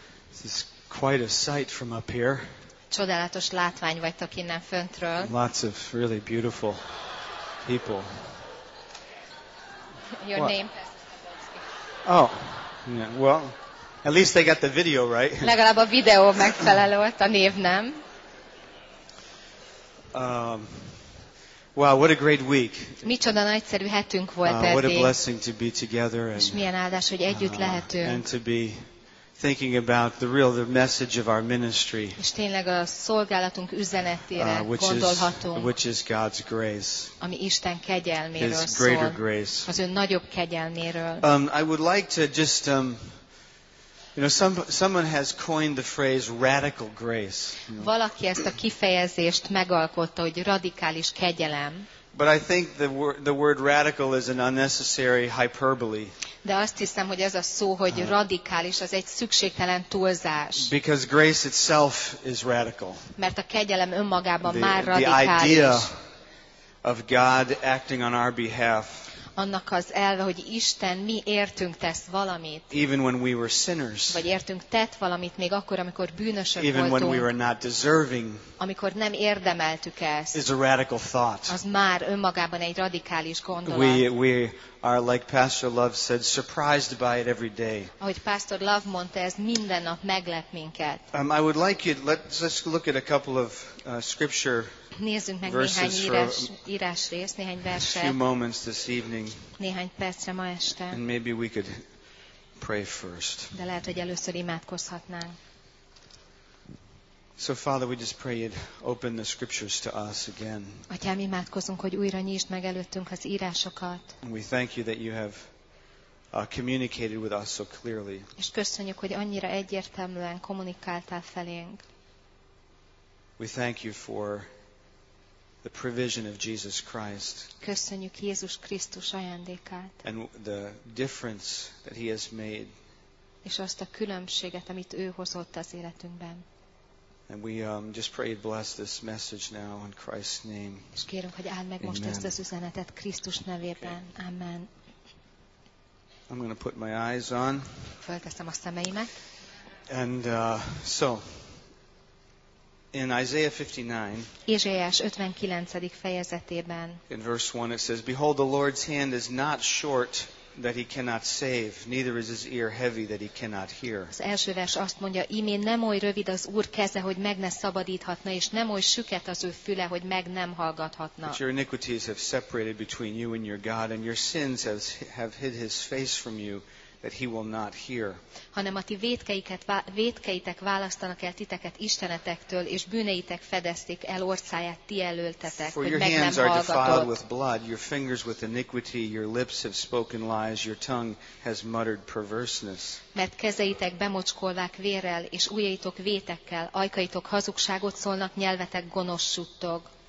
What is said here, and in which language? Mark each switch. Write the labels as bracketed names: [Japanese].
[English] This is quite a sight from up here. [Hungarian] Csodálatos látvány vagytok innen föntről. [English] Lots of really beautiful people. Your what? Name? Oh, yeah, well, at least they got the video right. [Hungarian] Legalább a videó megfelelő volt, a név nem. [English] Wow, what a great week. [Hungarian] Micsoda nagyszerű hetünk volt eddig. [English] What a blessing to be together. [Hungarian] És milyen áldás, hogy együtt lehetünk. [English] And to be thinking about the message of our ministry. [Hungarian] És tényleg a szolgálatunk üzenetére gondolhatunk. [English] Which is God's grace. [Hungarian] Ami Isten kegyelméről [English] His [Hungarian] szól. [English] His greater grace. [Hungarian] Az ő nagyobb kegyelméről. [English] I would like to just someone has coined the phrase radical grace. [Hungarian] Valaki ezt a kifejezést megalkotta, hogy radikális kegyelem. [English] But I think the word radical is an unnecessary hyperbole. [Hungarian] De azt hiszem, hogy ez a szó, hogy radikális, az egy szükségtelen túlzás. [English] Because grace itself is radical. [Hungarian] Mert a kegyelem önmagában [English] the, [Hungarian] már radikális. [English] The idea of God acting on our behalf. [Hungarian] Annak az elve, hogy Isten mi értünk tesz valamit. [English] Even when we were sinners. [Hungarian] Vagy értünk tett valamit még akkor, amikor bűnösök voltunk. [English] Even when we were not deserving. [Hungarian] Amikor nem érdemeltük ezt. [English] Is a radical thought. [Hungarian] Az már önmagában egy radikális gondolat. [English] We are like Pastor Love said, surprised by it every day. [Hungarian] Ahogy Pastor Love mondta, ez minden nap meglep minket. [English] I would like you let's look at a couple of scripture. [Hungarian] Nézzünk meg néhány írásrészt, néhány verset. [English] Few moments this evening. [Hungarian] Néhány percre ma este. [English] And maybe we could pray first. [Hungarian] De lehet, hogy először imádkozhatnánk. [English] So Father, we just pray you'd open the scriptures to us again. [Hungarian] Atyám, imádkozunk, hogy újra nyisd meg előttünk az írásokat. [English] And we thank you that you have communicated with us so clearly. [Hungarian] És köszönjük, hogy annyira egyértelműen kommunikáltál felénk. [English] We thank you for the provision of Jesus Christ. [Hungarian] Köszönjük Jézus Krisztus ajándékát. [English] And the difference that he has made. [Hungarian] És azt a különbséget, amit ő hozott az életünkben. [English] And we just pray you bless this message now in Christ's name. [Hungarian] És kérünk, hogy áld meg most ezt az üzenetet Krisztus nevében. [English] Okay. Amen. I'm going to put my eyes on. [Hungarian] Fölteszem a szemeimet. [English] And in Isaiah 59, [Hungarian] Ézsaiás 59. fejezetében, [English] in verse 1 it says, Behold, the Lord's hand is not short that he cannot save, neither is his ear heavy that he cannot hear. [Hungarian] Az első vers azt mondja, ímé nem oly rövid az Úr keze, hogy meg ne szabadíthatna, és nem oly süket az ő füle, hogy meg nem hallgathatna. [English] But your iniquities have separated between you and your God, and your sins have hid his face from you. That he will not hear. [Hungarian] Hanem a ti vétkeitek választanak el titeket Istenetektől, és bűneitek fedezték el orcáját ti előltetek, hogy meg nem hallgatott. [English] For your hands are defiled with blood, your fingers with iniquity, your lips have spoken lies, your tongue has muttered perverseness. [Hungarian] Mert kezeitek bemocskolvák vérrel, és ujjaitok vétekkel, ajkaitok hazugságot szólnak, nyelvetek gonosz suttog.